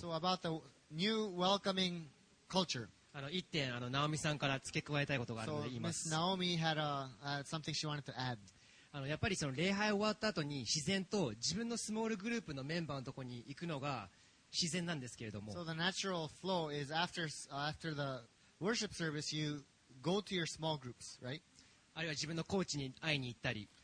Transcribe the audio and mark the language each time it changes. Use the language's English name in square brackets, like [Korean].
[English] So about the new welcoming culture. [Japanese] 一点ナオミさんから付け加えたいことがあるので言います。 [English] So Miss Naomi had a something she wanted to add. [Japanese] やっぱりその礼拝終わった後に自然と自分のスモールグループのメンバーのところに行くのが自然なんですけれども、 [English] So the natural flow is after the worship service, you go to your small groups, right? [Japanese] あるいは自分のコーチに会いに行ったり。